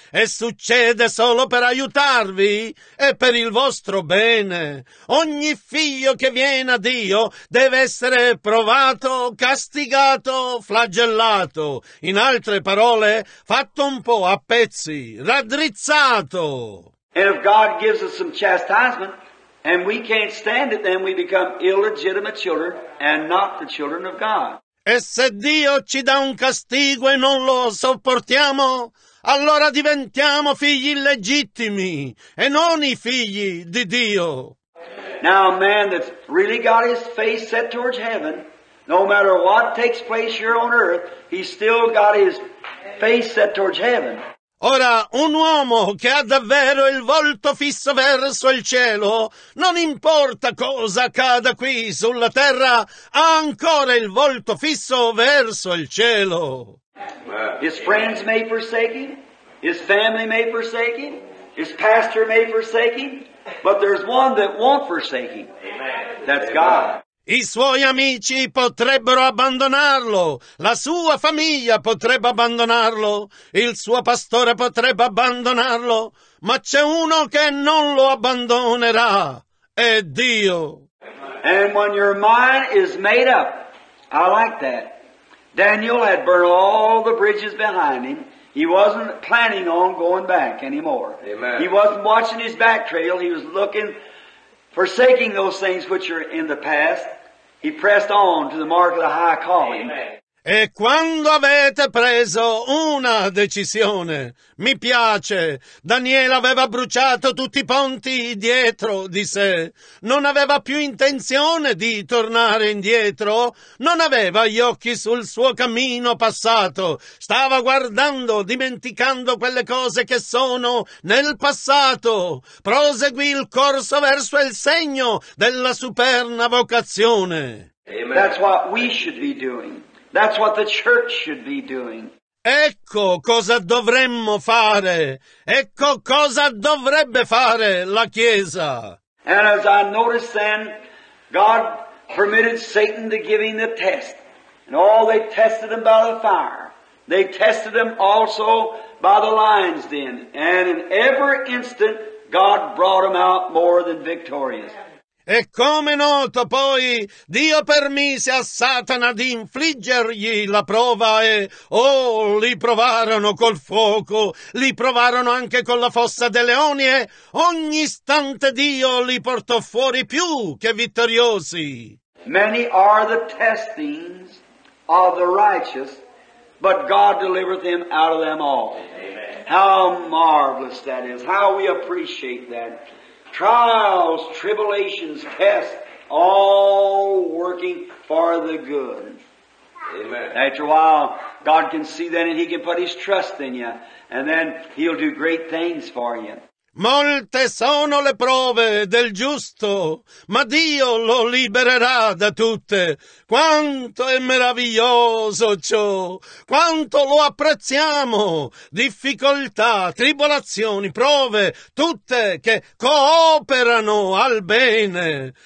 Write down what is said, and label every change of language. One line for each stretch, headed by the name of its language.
Italian: E succede solo per aiutarvi e per il vostro bene. Ogni figlio che viene a Dio deve essere provato, castigato, flagellato. In altre parole, fatto un po' a pezzi, raddrizzato.
English: And if God gives us some chastisement, and we can't stand it, then we become illegitimate children and not the children of God.
Italian: E se Dio ci dà un castigo e non lo sopportiamo, allora diventiamo figli illegittimi e non i figli di Dio.
English: Now a man that's really got his face set towards heaven, no matter what takes place here on earth, he's still got his face set towards heaven.
Italian: Ora, un uomo che ha davvero il volto fisso verso il cielo, non importa cosa accada qui sulla terra, ha ancora il volto fisso verso il cielo.
English: His friends may forsake him, his family may forsake him, his pastor may forsake him, but there's one that won't forsake him. That's God.
Italian: I suoi amici potrebbero abbandonarlo, la sua famiglia potrebbe abbandonarlo, il suo pastore potrebbe abbandonarlo, ma c'è uno che non lo abbandonerà, è Dio.
English: And when your mind is made up, I like that. Daniel had burned all the bridges behind him. He wasn't planning on going back anymore. Amen. He wasn't watching his back trail, he was looking, forsaking those things which are in the past, he pressed on to the mark of the high calling. Amen.
Italian: E quando avete preso una decisione, mi piace, Daniele aveva bruciato tutti i ponti dietro di sé, non aveva più intenzione di tornare indietro, non aveva gli occhi sul suo cammino passato, stava guardando, dimenticando quelle cose che sono nel passato, proseguì il corso verso il segno della superna vocazione. Amen.
English: That's what we should be doing. That's what the church should be doing.
Italian: Ecco cosa dovremmo fare. Ecco cosa dovrebbe fare la Chiesa.
English: And as I noticed then, God permitted Satan to give him the test. And all they tested him by the fire. They tested him also by the lion's den. And in every instant, God brought him out more than victorious.
Italian: E come noto poi, Dio permise a Satana di infliggergli la prova e, oh, li provarono col fuoco, li provarono anche con la fossa dei leoni e ogni istante Dio li portò fuori più che vittoriosi.
English: Many are the testings of the righteous, but God delivereth him out of them all. Amen. How marvelous that is, how we appreciate that. Trials, tribulations, tests, all working for the good. Amen. After a while, God can see that and he can put his trust in you. And then he'll do great things for you.
Italian: Molte sono le prove del giusto, ma Dio lo libererà da tutte. Quanto è meraviglioso ciò, quanto lo apprezziamo. Difficoltà, tribolazioni, prove, tutte che cooperano al bene.